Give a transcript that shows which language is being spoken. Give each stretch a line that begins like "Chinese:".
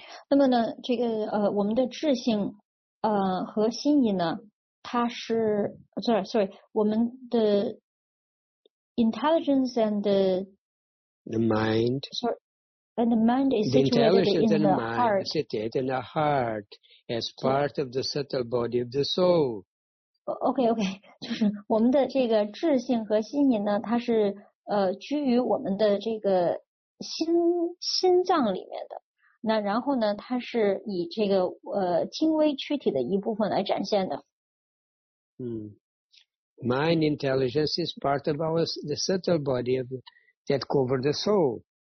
Chinese: 那么呢，这个我们的智性和心意呢它是
English: sorry,
Chinese: 我们的
English: intelligence and the mind. Sorry, and the mind is the intelligence and the heart. Mind is situated in the heart as part of the subtle body of the soul.
Chinese: Okay, 就是我们的这个智性和心灵呢，它是居于我们的这个心脏里面的。那然后呢，它是以这个精微躯体的一部分来展现的。
English: Mind intelligence is part of the subtle body that covers the soul.